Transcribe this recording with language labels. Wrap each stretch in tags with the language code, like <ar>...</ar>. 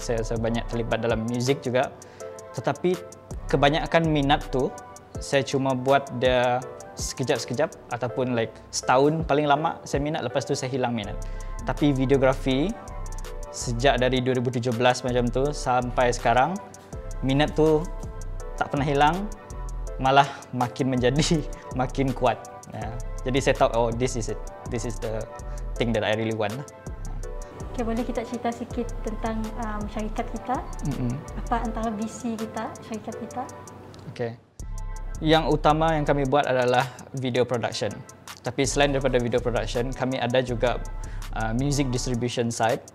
<ms>Saya banyak terlibat dalam music juga. Tetapi kebanyakan minat tu saya cuma buat dia sekejap-sekejap ataupun like setahun paling lama saya minat, lepas tu saya hilang minat. Tapi videografi sejak dari 2017 macam tu sampai sekarang, minat tu tak pernah hilang, malah makin menjadi makin kuat. Yeah. Jadi saya tahu,</ms> <en>oh this is it, this is the thing that I really want.</en> <ms>Okay, boleh kita cerita sikit tentang syarikat kita? Apa antara visi kita, syarikat kita? Okay. Yang utama yang kami buat adalah video production. Tapi selain daripada video production, kami ada juga music distribution side.</ms>